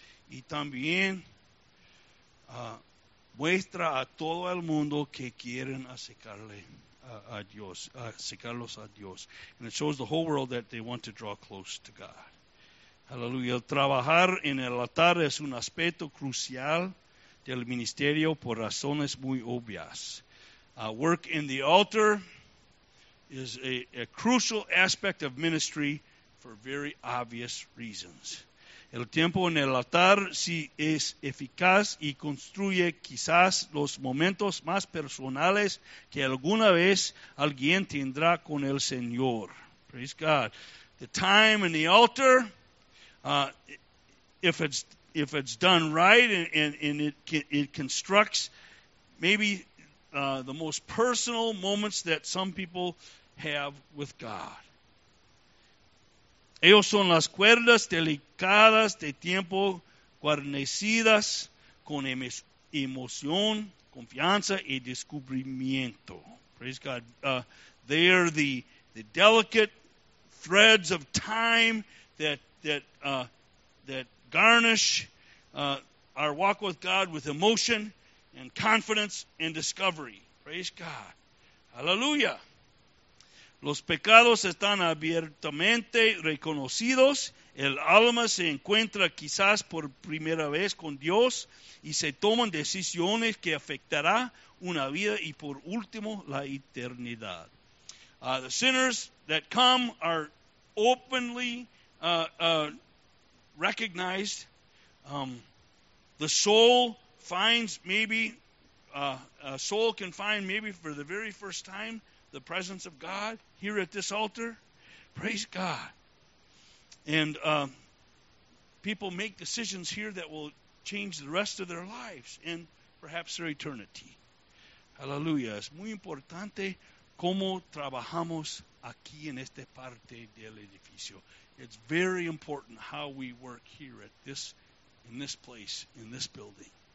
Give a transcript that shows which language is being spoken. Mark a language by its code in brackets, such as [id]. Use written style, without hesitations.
[es] Y también muestra a todo el mundo que quieren acercarlos a Dios. [en] And it shows the whole world that they want to draw close to God. Hallelujah. [es] El trabajar en el altar es un aspecto crucial del ministerio por razones muy obvias. [en] Work in the altar is a crucial aspect of ministry for very obvious reasons. [es] El tiempo en el altar sí es eficaz y construye quizás los momentos más personales que alguna vez alguien tendrá con el Señor. [en] Praise God. The time in the altar, if it's done right and it constructs maybe the most personal moments that some people have with God. [es] Ellos son las cuerdas delicadas de tiempo guarnecidas con emoción, confianza y descubrimiento. [en] Praise God. They are the delicate threads of time that garnish our walk with God with emotion and confidence and discovery. Praise God. Hallelujah. [es] Los pecados están abiertamente reconocidos. El alma se encuentra quizás por primera vez con Dios y se toman decisiones que afectará una vida y por último la eternidad. [en] The sinners that come are openly recognized. The soul finds maybe, a soul can find maybe for the very first time the presence of God here at this altar. Praise God. And people make decisions here that will change the rest of their lives and perhaps their eternity. Hallelujah. [es] Es muy importante cómo trabajamos aquí en esta parte del edificio. [en] It's very important how we work here at this, in this place, in this building.